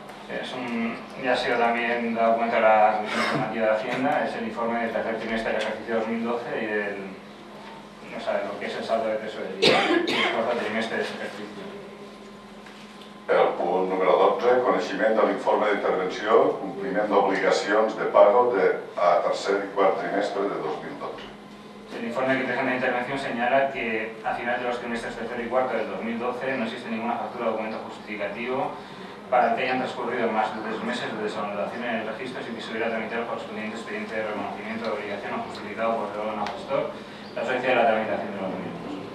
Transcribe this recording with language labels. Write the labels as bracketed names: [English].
[Spanish] Es un, ya ha sido también dado cuenta la Comisión Informativa de Hacienda, es el informe del tercer trimestre del ejercicio 2012 y del, no sabe, lo que es el saldo de tesorería del cuarto trimestre de ese ejercicio. [Catalan] El punt número 12, coneixement de l'informe d'intervenció, compliment d'obligacions de pago de, a tercer i quart trimestre de 2012. [Spanish] El informe que presenta intervenció señala que a final de los trimestres tercer y cuarto del 2012 no existe ninguna factura o documento justificativo para que hayan transcurrido más de 3 meses de desanulación en el registro sin que se hubiera tramitado el correspondiente expediente de reconocimiento de obligación o justificado por el órgano gestor, la ausencia de la tramitación de los mismos.